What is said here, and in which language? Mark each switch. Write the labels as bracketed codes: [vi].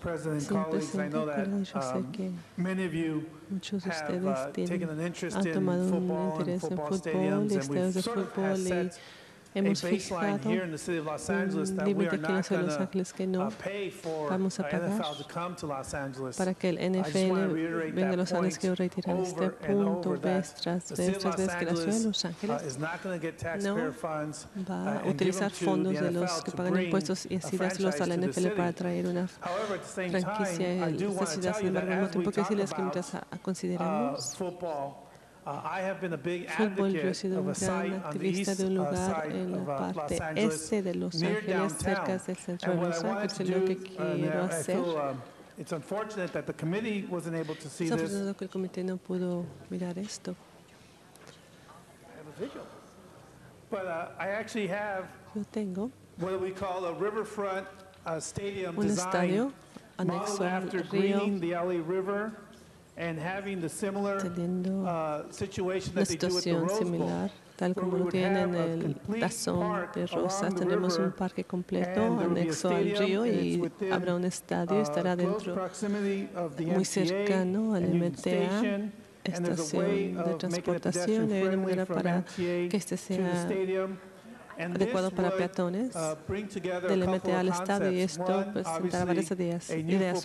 [en] President, colleagues, I know that many of you have taken an interest in football and football stadiums, and we've sort of had set [es] hemos fijado un límite aquí en la ciudad de Los Ángeles que no vamos a pagar para que el NFL venga a Los Ángeles. Quiero reiterar este punto vez tras vez, que la ciudad de Los Ángeles no va a utilizar fondos de los que pagan impuestos y así dárselos a la NFL para traer una franquicia a esta ciudad. Sin embargo, al mismo tiempo que decirles que mientras consideramos [en] I have been a big advocate of a site on the east side of Los Angeles, near downtown. And what I wanted to do, it's unfortunate that the committee wasn't able to see this. I have a visual. But I had actually have what we call a riverfront stadium design modeled after greening the LA River. And having the similar situation that they do at the Rose Bowl, [es] tal como lo tienen en el Tazón de Rosas, tenemos un parque completo anexo al río y habrá un estadio, estará dentro muy cercano al MTA. Estación de transportación, hay una manera para que este sea adecuado para peatones del MTA al estadio, y esto presentará varias ideas.